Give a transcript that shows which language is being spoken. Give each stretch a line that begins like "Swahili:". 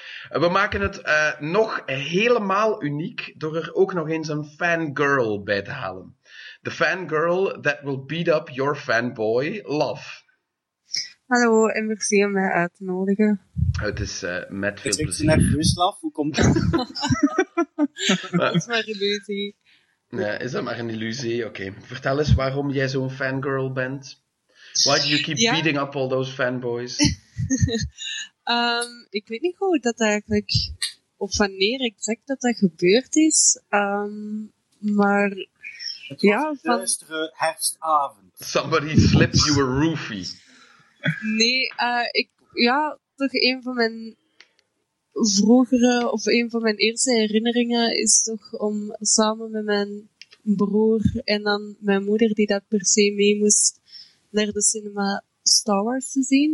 Dutch: We maken het nog helemaal uniek door er ook nog eens een fangirl bij te halen.
English: The fangirl that will beat up your fanboy, Love.
Dutch: Hallo, en merci om mij uit te nodigen. Het is met veel ik plezier. Ik zeg naar Ruslav, hoe komt dat? Dat is maar een illusie. Ja, is dat maar een illusie? Oké. Vertel eens waarom jij zo'n fangirl bent.
English: Why do you keep beating up all those fanboys?
Dutch: Ik weet niet hoe dat eigenlijk, of wanneer exact dat gebeurd is. Maar het was een duistere herfstavond.
English: Somebody slipped you a roofie.
Dutch: Nee, toch een van mijn vroegere, of een van mijn eerste herinneringen is toch om samen met mijn broer en dan mijn moeder, die dat per se mee moest, naar de cinema Star Wars te zien.